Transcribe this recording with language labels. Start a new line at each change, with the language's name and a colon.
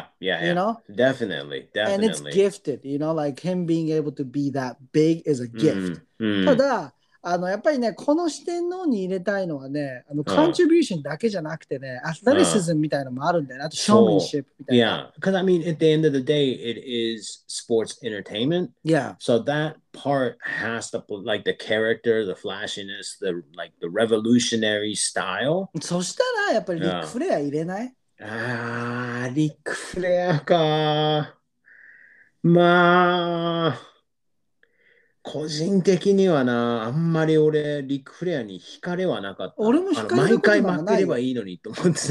English: Yeah, yeah, you know? Definitely, definitely. And it's gifted, you know? Like, him being able to be that big is a gift.
Japanese: ただ、あのやっぱりねこの四天王に入れたいのはねあのコントリビューションだけじゃなくてねアスタリシズムみたいなのもあるんだよ、ね、あとショーマンシップみたいな
English: Yeah, because I mean at the end of the day it is sports entertainment Yeah So that part has to like the character, the flashiness, the like the revolutionary style
Japanese: そしたらやっぱりリックフレア入れない、リックフレアかまあ個人的にはな、あんまり俺、リックフレアに惹かれはなかった。俺も惹かれたことない。毎回負ければいいのにと思って